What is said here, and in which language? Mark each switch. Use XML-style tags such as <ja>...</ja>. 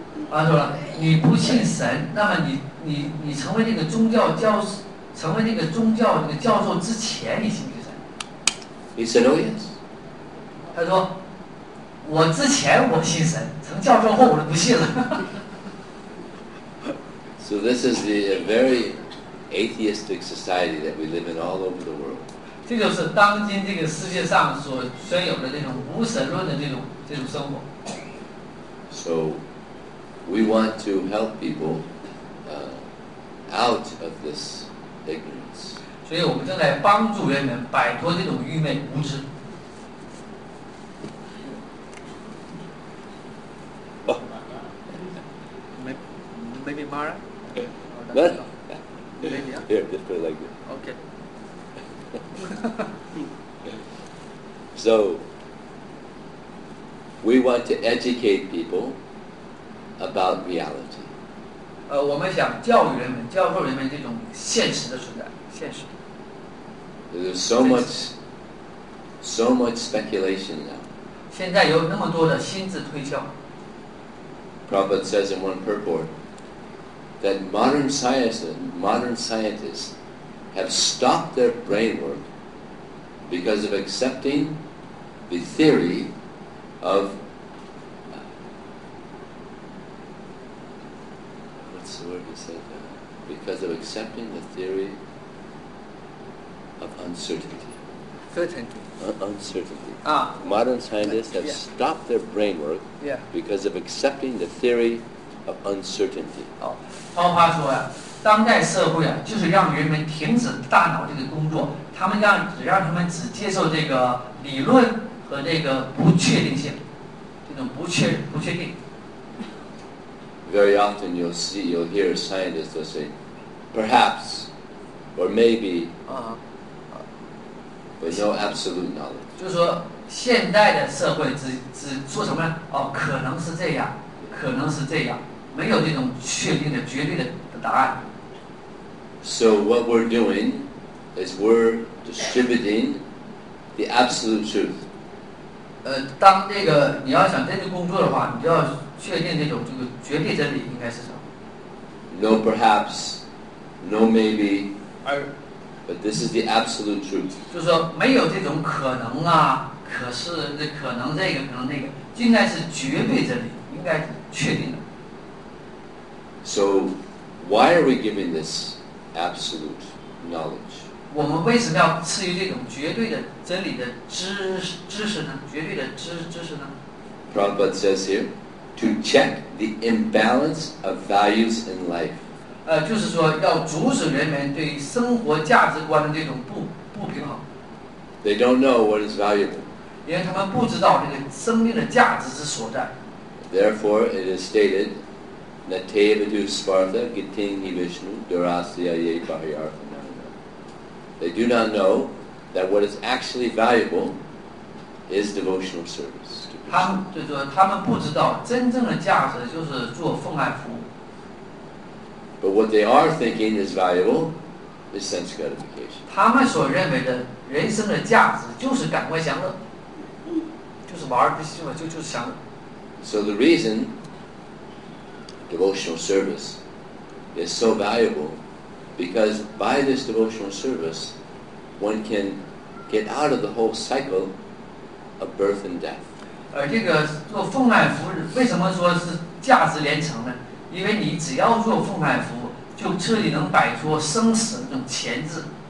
<zh>他说了，你不信神，那么你成为那个宗教教，成为那个宗教那个教授之前，你信不信神？</zh> <en>He said, "Oh yes."</en> <zh>他说，我之前我信神，成教授后我就不信了。</zh> <en>So this is a very atheistic society that we live in all over the world.</en> <zh>这就是当今这个世界上所宣有的那种无神论的这种生活。</zh> <en>So, we want to help people, out of this ignorance.</en> <zh>所以我们正在帮助人们摆脱这种愚昧无知。</zh> <en>Maybe Mara. What? Maybe. Here, just put it like this. Okay. So, we want to educate people about reality.</en> <zh>我们想教育人们，教授人们这种现实的存在，现实。</zh> <en>There's so much speculation now.</en> <zh>现在有那么多的心智推敲。</zh> <en>Prabhupada says in one purport that modern scientists have stopped their brain work. Because of accepting the theory of what's the word he said? Because of accepting the theory of uncertainty. Certainty. Uncertainty. Modern scientists have stopped their brain work because of accepting the theory of uncertainty.</en> <zh>他话说呀，当代社会啊，就是让人们停止大脑这个工作。他们让他们只接受这个理论和这个不确定性，这种不确定。</zh> <en>Very often you'll hear scientists will say, perhaps, or maybe, but no absolute knowledge.</en> <zh>就是说，现代的社会只说什么呢？哦，可能是这样，可能是这样，没有这种确定的、绝对的答案。</zh> <en>So what we're doing? Is we're distributing the absolute truth.</en> <zh>当这个你要想真正工作的话，你就要确定那种这个绝对真理应该是什么。</zh> <en>No, perhaps, no, maybe. But this is the absolute truth.</en> <zh>就是说没有这种可能啊，可是那可能这个，可能那个，应该是绝对真理，应该是确定的。</zh> <en>So, why are we giving this absolute knowledge?</en> <zh>我们为什么要赐予这种绝对的真理的知识呢？绝对的知识呢？</zh> <en>Prabhupada says here, to check the imbalance of values in life.</en> <zh>就是说要阻止人们对生活价值观的这种 不平衡。</zh> <en>They don't know what is valuable.</en> <zh>因为他们不知道这个生命的价值之所在。</zh> <en>Therefore, it is stated,</en> <sa>Natevadu Svartha Gittin Hivishnu Durasya Ye Bahayarthananda.</sa> <en>They do not know that what is actually valuable is devotional service.</en> <zh>他们不知道真正的价值就是做奉爱服务。</zh> <en>But what they are thinking is valuable is sense gratification.</en> <zh>他们所认为的人生的价值就是感官享乐，就是玩儿，就是享乐。</zh> <en>So the reason devotional service is so valuable because by this devotional service one can get out of the whole cycle of birth and death.</en> <zh>这个做奉爱服务为什么说是价值连城呢？因为你只要做奉爱服务，就彻底能摆脱生死那种钳制。</zh>